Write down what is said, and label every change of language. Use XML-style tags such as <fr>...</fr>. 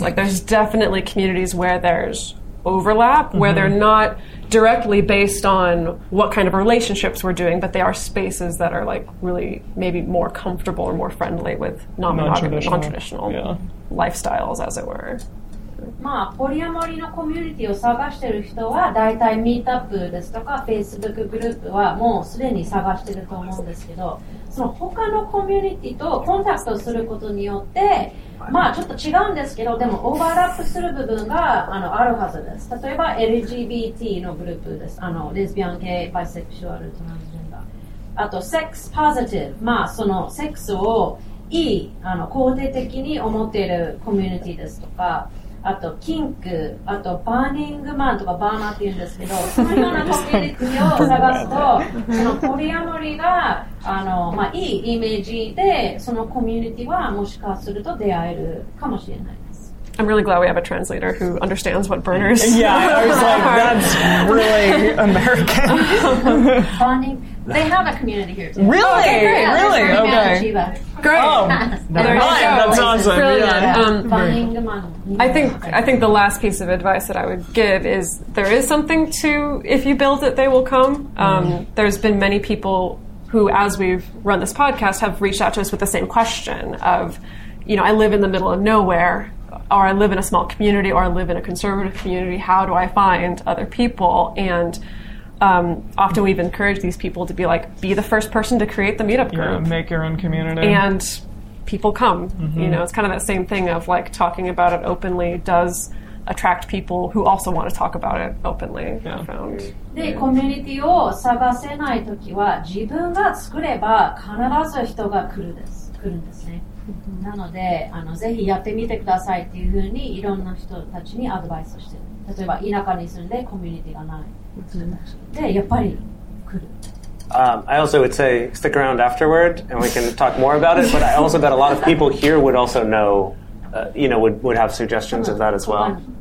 <en>Like there's definitely communities where there's overlap, where they're not directly based on what kind of relationships we're doing, but they are spaces that are like really maybe more comfortable or more friendly with non-monogamous, non-traditional lifestyles, as it were.</en> <ja>まあ、ポリアモリのコミュニティを探してる人は、だいたいミートアップですとか、Facebook グループはもうすでに探してると思うんですけど、その他のコミュニティとコンタクトすることによって、まあちょっと違うんですけど、でもオーバーラップする部分が あるはずです。例えば LGBT のグループです。レズビアン系、バイセクシュアル、トランスジェンダー。あと、セックスポジティブ。まあ、そのセックスをいい、肯定的に思っているコミュニティですとか、あとキンク、あとバーニングマンとかバーナーって言うんですけど、そのようなコミュニティを探すと、そのポリアモリがまあ、いいイメージで、そのコミュニティはもしかすると出会えるかもしれない。</ja> <en>I'm really glad we have a translator who understands what burners are. Yeah, I was like, that's really American. Burning. They have a community here, too. Really? Okay, great. Yeah, really? Okay. Great. Oh, there there is. Fine. That's awesome. Brilliant. Yeah. I think the last piece of advice that I would give is there is something to, if you build it, they will come. There's been many people who, as we've run this podcast, have reached out to us with the same question of, you know, I live in the middle of nowhere, or I live in a small community, or I live in a conservative community. How do I find other people? And often we've encouraged these people to be like, be the first person to create the meetup group. Yeah, make your own community. And people come. Mm-hmm. You know, it's kind of that same thing of like talking about it openly does attract people who also want to talk about it openly. Yeah. Found.</en> <ja>で、コミュニティを探せないときは、自分が作れば必ず人が来るんですね。なので、ぜひやってみてくださいっていうふうに、いろんな人たちにアドバイスをしてる。例えば、田舎に住んでコミュニティがない。で、やっぱり来る。</ja> <en>I also would say stick around afterward and we can talk more about it, but I also bet a lot of people here would also know would have suggestions of that as well.</en>